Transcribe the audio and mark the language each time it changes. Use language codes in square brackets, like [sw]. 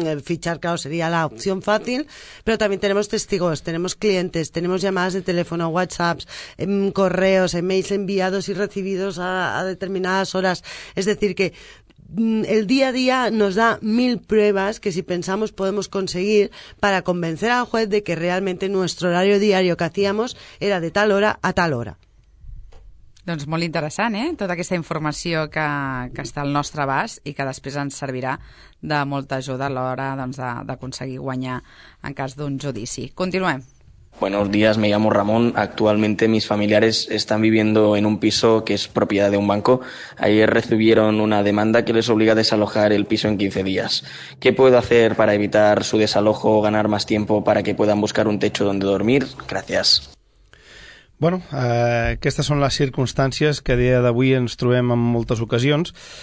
[es] Fichar, claro, sería la opción fácil, pero también tenemos testigos, tenemos clientes, tenemos llamadas de teléfono, WhatsApps, correos, emails enviados y recibidos a determinadas horas. Es decir que el día a día nos da mil pruebas que si pensamos podemos conseguir para convencer al juez de que realmente nuestro horario diario que hacíamos era de tal hora a tal hora. [ca] Doncs molt interessant, eh? Tota aquesta informació que està al nostre abast i que després ens servirà de molta ajuda a l'hora doncs, d'aconseguir guanyar en cas d'un judici. Continuem. [es] Buenos días, me llamo Ramón. Actualmente mis familiares están viviendo en un piso que es propiedad de un banco. Ayer recibieron una demanda que les obliga a desalojar el piso en 15 días. ¿Qué puedo hacer para evitar su desalojo o ganar más tiempo para que puedan buscar un techo donde dormir? Gracias. [ca] Bueno, aquestes són les circumstàncies que a dia d'avui ens trobem en moltes ocasions.